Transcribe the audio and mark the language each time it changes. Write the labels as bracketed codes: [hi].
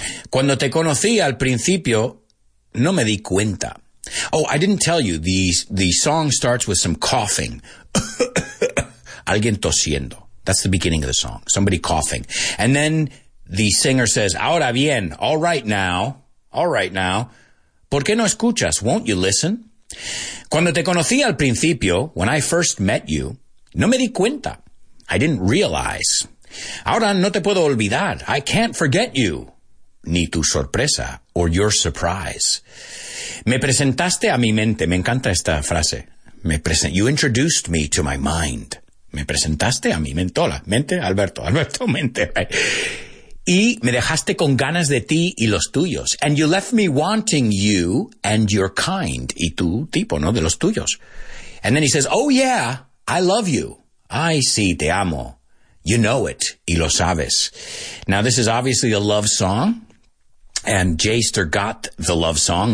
[es] Cuando te conocí al principio, no me di cuenta. [en] Oh, I didn't tell you, the song starts with some coughing. [es] Alguien tosiendo. [en] That's the beginning of the song. Somebody coughing. And then the singer says, [es] ahora bien, [en] all right now, all right now. [es] ¿Por qué no escuchas? [en] Won't you listen? [es] Cuando te conocí al principio, [en] when I first met you, [es] no me di cuenta. [en] I didn't realize. [es] Ahora no te puedo olvidar. [en] I can't forget you. [es] Ni tu sorpresa [en] or your surprise. [es] Me presentaste a mi mente. Me encanta esta frase. [en] You introduced me to my mind. [es] Me presentaste a mi mentola. Mente, Alberto. Alberto, mente. Y me dejaste con ganas de ti y los tuyos. [en] And you left me wanting you and your kind. [es] Y tu tipo, ¿no? De los tuyos. [en] And then he says, oh, yeah, I love you. [es] Ay, sí, te amo. [en] You know it. [es] Y lo sabes. [en] Now, this is obviously a love song. And Jaster got the love song.